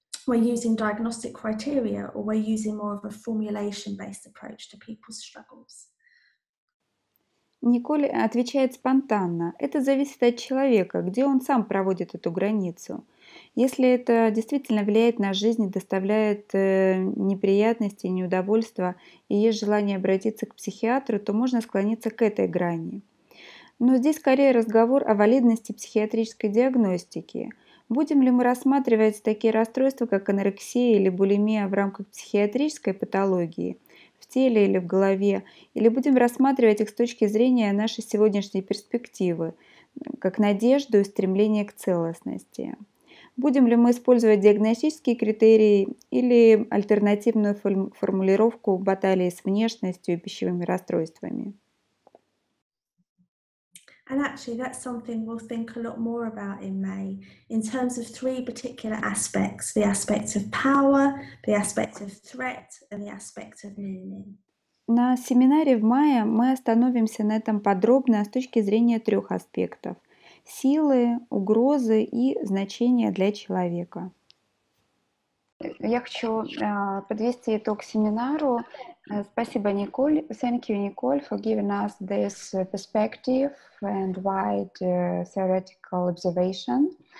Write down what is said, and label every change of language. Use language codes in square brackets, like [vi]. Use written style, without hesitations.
[en] we're using diagnostic criteria or we're using more of a formulation-based approach to people's struggles. [ru] Николь отвечает спонтанно. Это зависит от человека, где он сам проводит эту границу. Если это действительно влияет на жизнь и доставляет неприятности, неудовольства, и есть желание обратиться к психиатру, то можно склониться к этой грани. Но здесь скорее разговор о валидности психиатрической диагностики. Будем ли мы рассматривать такие расстройства, как анорексия или булимия в рамках психиатрической патологии? В теле или в голове, или будем рассматривать их с точки зрения нашей сегодняшней перспективы, как надежду и стремление к целостности. Будем ли мы использовать диагностические критерии или альтернативную формулировку баталии с внешностью и пищевыми расстройствами? [en] And actually, that's something we'll think a lot more about in May, in terms of three particular aspects: the aspect of power, the aspect of threat, and the aspect of meaning. [ru] На семинаре в мае мы остановимся на этом подробно с точки зрения трех аспектов: силы, угрозы и значения для человека. Я хочу подвести итог семинару. Спасибо, [en] Николь. Thank you, Николь, for giving us this perspective and wide theoretical observation.